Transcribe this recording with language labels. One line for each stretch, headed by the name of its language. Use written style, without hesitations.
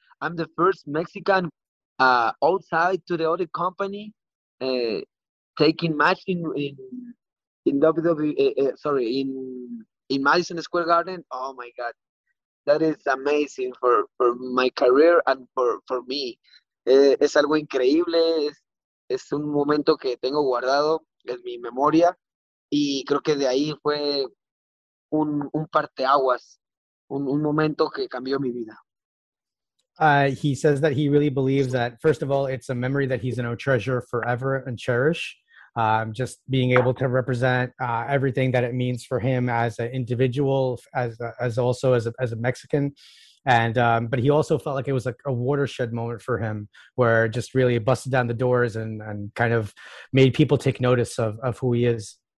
English: I'm the first Mexican outside to the other company taking match in WWE. In Madison Square Garden. Oh my God, that is amazing for my career and for me.
Spanish: Es algo increíble, es un momento que tengo guardado en mi memoria, y creo que de ahí fue un parteaguas, un momento que cambió mi vida.
English: He says that he really believes that, first of all, it's a memory that he's going to treasure forever and cherish, just being able to represent everything that it means for him as an individual, as a Mexican. And but he also felt like it was a watershed moment for him, where it just really busted down the doors and kind of made people take notice of who he is.